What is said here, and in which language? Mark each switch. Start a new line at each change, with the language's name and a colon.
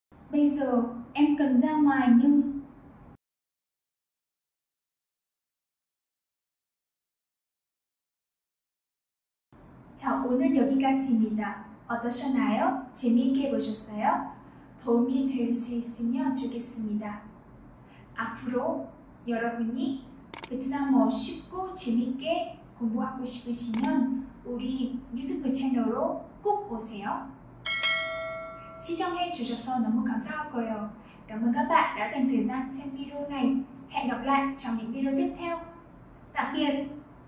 Vietnamese: Bây giờ em cần ra ngoài nhưng chào,
Korean: 오늘 여기까지입니다. 어떠셨나요? 재미있게 보셨어요? 도움이 될 수 있으면 좋겠습니다. 앞으로 여러분이 베트남어 쉽고 재미있게 공부하고 싶으시면 우리 유튜브 채널로 꼭 오세요. 시청해 주셔서 너무 감사하고요. 감사합니다. 여러분, 다
Vietnamese: dành thời gian xem video này. Hẹn gặp lại trong những video tiếp theo.
Korean: 다음에 봬요.